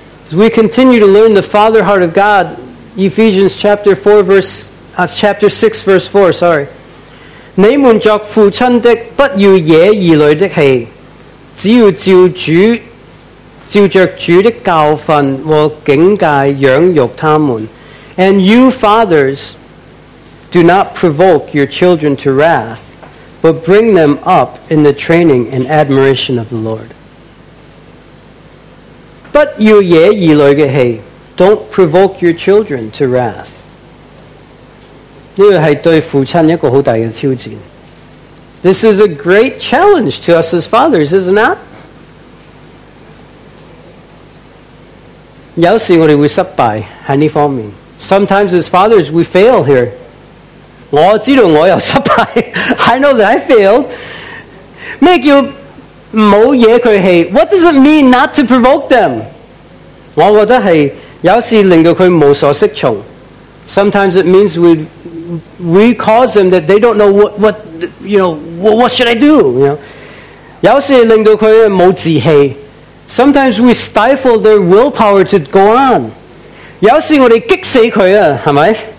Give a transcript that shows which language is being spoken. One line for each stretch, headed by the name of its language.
English: As we continue to learn the Father heart of God, Ephesians chapter 4 verse, chapter 6 verse 4, sorry.
Chinese: 你们作父亲的不要惹儿女的气，只要照着主的教训和警戒养育他们。
English: And you fathers, do not provoke your children to wrath, but bring them up in the training and admonition of the Lord. But you ye ye loge he, don't provoke your children to wrath.
Chinese: 呢个系对父亲一个好大嘅挑战。
English: This is a great challenge to us as fathers, is it not?
Chinese: 有时我哋会失败喺呢方面。
English: Sometimes as fathers we fail here.
Chinese: 我知道我有失败。
English: I know that I failed.
Chinese: Make you 唔好惹佢气。
English: What does it mean not to provoke them?
Chinese: 我觉得系有时令到佢无所适从。
English: Sometimes it means we cause them that they don't know what you know what should I do. You know,
Chinese: 有时令到佢冇志气。
English: Sometimes we stifle their willpower to go on.
Chinese: 有时我哋激死佢啊，系咪？